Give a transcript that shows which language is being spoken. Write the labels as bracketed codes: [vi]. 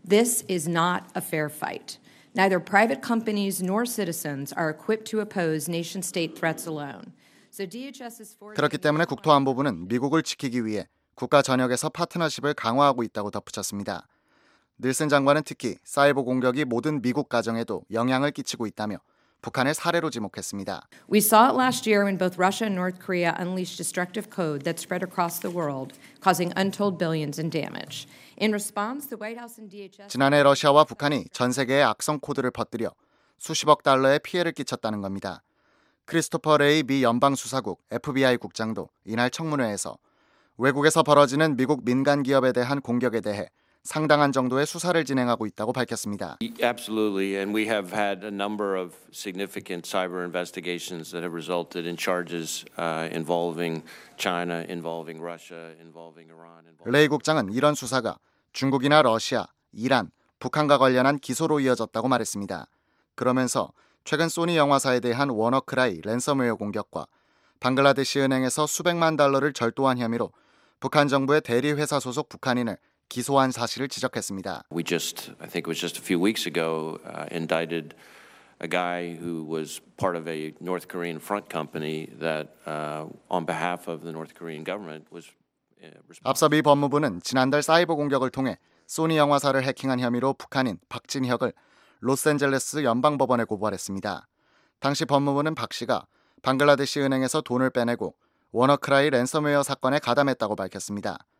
[en] This is not a fair fight. Neither private companies nor citizens are equipped to oppose nation-state threats alone. So DHS's [ko] 그렇기 때문에 국토안보부는 미국을 지키기 위해 국가 전역에서 파트너십을 강화하고 있다고 덧붙였습니다. 닐슨 장관은 특히 사이버 공격이 모든 미국 가정에도 영향을 끼치고 있다며 북한을 사례로 지목했습니다. [en] We saw it last year when both Russia and North Korea unleashed destructive code that spread across the world, causing untold billions in damage. In response, the White House and DHS [ko] 지난해 러시아와 북한이 전 세계에 악성 코드를 퍼뜨려 수십억 달러의 피해를 끼쳤다는 겁니다. 크리스토퍼 레이 미 연방 수사국 FBI 국장도 이날 청문회에서 외국에서 벌어지는 미국 민간 기업에 대한 공격에 대해 상당한 정도의 수사를 진행하고 있다고 밝혔습니다. [en] Absolutely, and we have had a number of significant cyber investigations that have resulted in charges involving China, involving Russia, involving Iran. [ko] 레이 국장은 이런 수사가 중국이나 러시아, 이란, 북한과 관련한 기소로 이어졌다고 말했습니다. 그러면서 최근 소니 영화사에 대한 워너크라이 랜섬웨어 공격과 방글라데시 은행에서 수백만 달러를 절도한 혐의로 북한 정부의 대리 회사 소속 북한인을 기소한 사실을 지적했습니다. [en] We just, I think it was just a few weeks ago, indicted a guy who was part of a North Korean front company that, on behalf of the North Korean government, was. [ko] 앞서 미 법무부는 지난달 사이버 공격을 통해 소니 영화사를 해킹한 혐의로 북한인 박진혁을 로스앤젤레스 연방 법원에 고발했습니다. 당시 법무부는 박 씨가 방글라데시 은행에서 돈을 빼내고 워너크라이 랜섬웨어 사건에 가담했다고 밝혔습니다.